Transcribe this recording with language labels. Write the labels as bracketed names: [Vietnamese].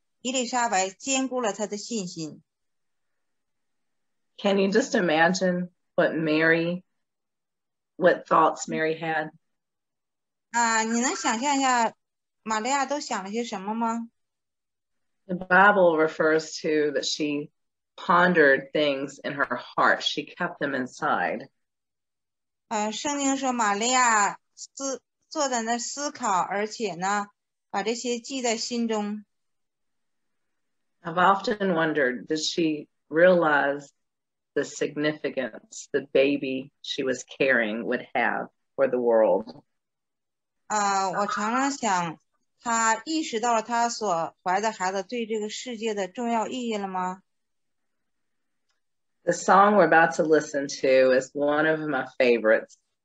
[Chinese] 但是呢，上帝用伊丽莎白坚固了她的信心。 [English] Can you just imagine what thoughts Mary had? [Chinese] 你能想象一下玛利亚都想了些什么吗? [English] The Bible refers to that she pondered things in her heart. She kept them inside. [Chinese] 圣经说玛利亚坐在那思考，而且呢，把这些记在心中。 [English] I've often wondered, does she realize the significance the baby she was carrying would have for the world? [Chinese] 我常常想，她意识到了她所怀的孩子对这个世界的重要意义了吗？ [English] The song we're about to listen to is one of my favorites.